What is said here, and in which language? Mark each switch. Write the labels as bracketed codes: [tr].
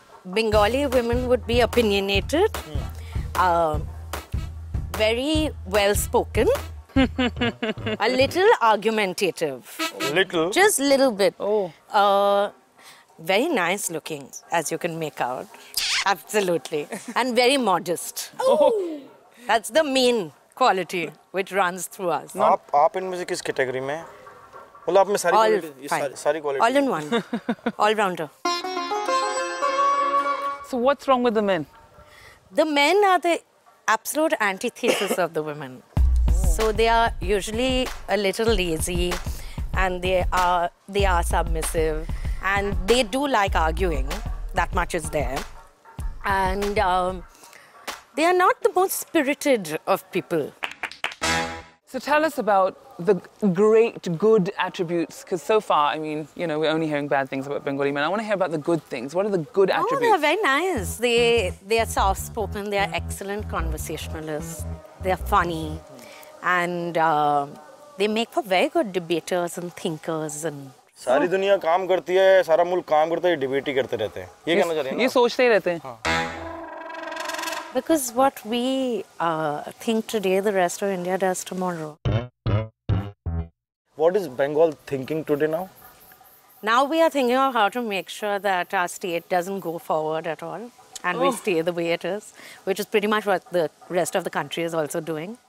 [en] Bengali women would be opinionated, very well spoken, a little argumentative. Little? Just little bit. Oh. Very nice looking, as you can make out. Absolutely. And very modest. Oh. That's the mean. Quality which runs through us. Not [hi] आप इनमें से किस category में? मतलब आप में सारी quality सारी quality. [en] All in one, all rounder. So what's wrong with the men? The men are the absolute antithesis of the women. So they are usually a little lazy, and they are submissive, and they do like arguing. That much is there, and. They are not the most spirited of people. So tell us about the great good attributes, because so far, I mean, you know, we're only hearing bad things about Bengali men. I want to hear about the good things. What are the good attributes? Oh, they're very nice. They are soft-spoken. They are excellent conversationalists. They are funny. And they make for very good debaters and thinkers and... [hi] सारी दुनिया काम करती है, सारा मुल्क काम करता है, debate ही करते रहते हैं. ये कहना चाह रहे हैं? ये सोचते ही रहते हैं. [en] Because what we think today, the rest of India does tomorrow. What is Bengal thinking today now? Now we are thinking of how to make sure that our state doesn't go forward at all and we stay the way it is, which is pretty much what the rest of the country is also doing.